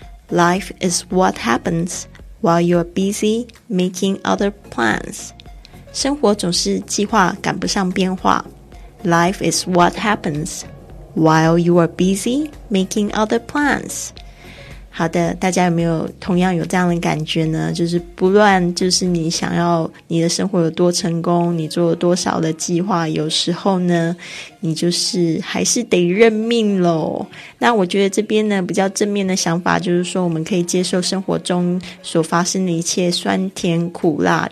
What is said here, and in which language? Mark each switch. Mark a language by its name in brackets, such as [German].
[English] Life is what happens while you are busy making other plans. [Chinese] 生活总是计划赶不上变化。 [English] Life is what happens while you are busy making other plans. [Chinese] 好的，大家有没有同样有这样的感觉呢？就是不论就是你想要你的生活有多成功，你做了多少的计划，有时候呢，你就是还是得认命咯。那我觉得这边呢，比较正面的想法就是说，我们可以接受生活中所发生的一切酸甜苦辣。